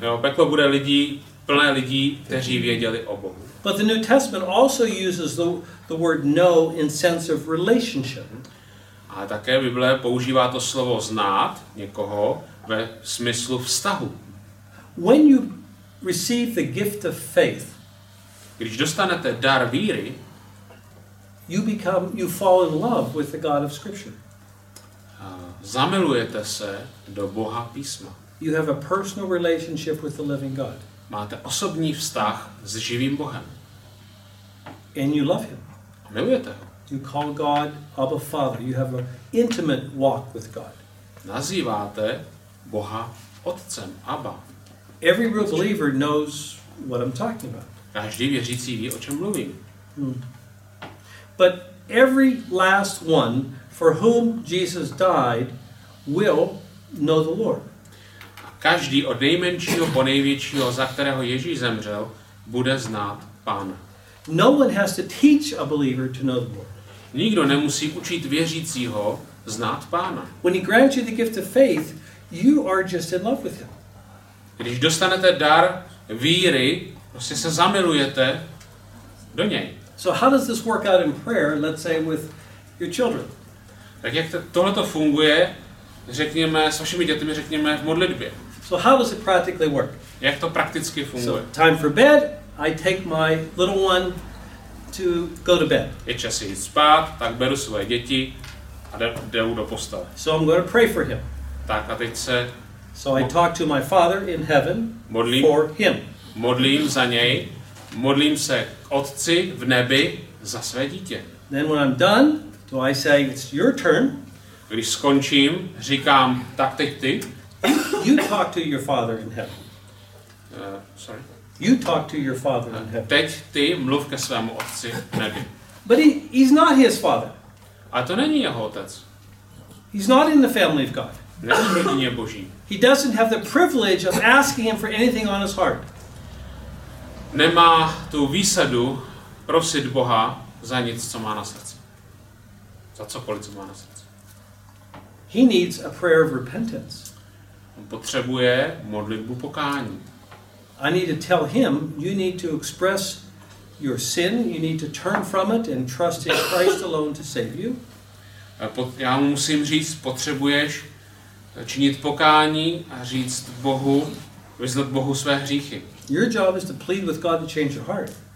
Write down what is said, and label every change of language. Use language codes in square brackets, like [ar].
[cs] Jo, peklo bude lidí, plné lidí, kteří věděli o Bohu. [en] But the New Testament also uses the word know in sense of relationship. [cs] A také Bible používá to slovo znát někoho ve smyslu vztahu. [en] When you receive the gift of faith, [cs] když dostanete dar víry, [en] you fall in love with the God of Scripture. [cs] Zamilujete se do Boha písma. [en] You have a personal relationship with the living God. [cs] Máte osobní vztah s živým Bohem. [en] And you love him. [cs] Milujete ho. [en] You call God Abba Father. You have an intimate walk with God. [cs] Nazýváte Boha Otcem, Abba. [en] Every real believer knows what I'm talking about. [cs] Každý věřící ví, o čem mluvím. [en] But every last one for whom Jesus died will know the Lord. [cs] A každý od nejmenšího po největšího, za kterého Ježíš zemřel, bude znát Pána. [en] No one has to teach a believer to know the Lord. [cs] Nikdo nemusí učit věřícího znát Pána. [en] When he grants you the gift of faith, you are just in love with him. [cs] Když dostanete dar víry, prostě se zamilujete do něj. [en] So how does this work out in prayer, let's say with your children? [cs] Tak jak tohle to funguje, řekněme s vašimi dětmi, řekněme v modlitbě. [en] So how does it practically work? [cs] Jak to prakticky funguje? [en] So time for bed. I take my little one to go to bed. [cs] Je čas jít spát, tak beru svoje děti a jdu do postele. [en] So I'm going to pray for him. [cs] Tak a teď se... [en] So I talk to my father in heaven [cs] modlím, [en] for him. [cs] Modlím za něj, modlím se k otci v nebi za své dítě. [en] Then when I'm done, do I say, it's your turn. [cs] Když skončím, říkám, tak teď ty. [en] You talk to your father in heaven. You talk to your father in heaven. [cs] Teď ty mluv ke svému otci v nebi. [en] But he's not his father. [cs] A to není jeho otec. [en] He's not in the family of God. [cs] Není v rodině Boží. [en] He doesn't have the privilege of asking him for anything on his heart. [cs] Nemá tu výsadu prosit Boha za nic, co má na srdci. Za cokoliv, co má na srdci. [en] He needs a prayer of repentance. [cs] On potřebuje modlitbu pokání. [en] I need to tell him you need to express your sin, you need to turn from it and trust in Christ alone to save you. [cs] Já mu musím říct, potřebuješ činit pokání a říct Bohu, vyznat Bohu své hříchy. [en] Your job is to plead with God to change your heart.